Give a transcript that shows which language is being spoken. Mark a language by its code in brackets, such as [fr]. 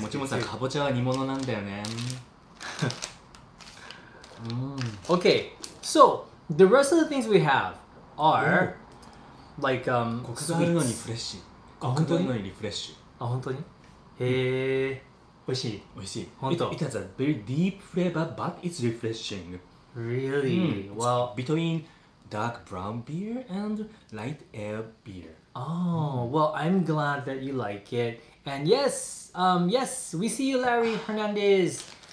[ja] もちもちはかぼちゃは煮物なんだよね。 [en] Okay, so the rest of the things we have are like, [ja] コクがあるのにフレッシュ。コクがあるのにリフレッシュ。あ、本当に？へぇ、おいしい。おいしい。本当。 [en] It has a very deep flavor, but it's refreshing. Really? Well, between dark brown beer and light ale beer. Well, I'm glad that you like it. And yes, yes, we see you, Larry Hernandez.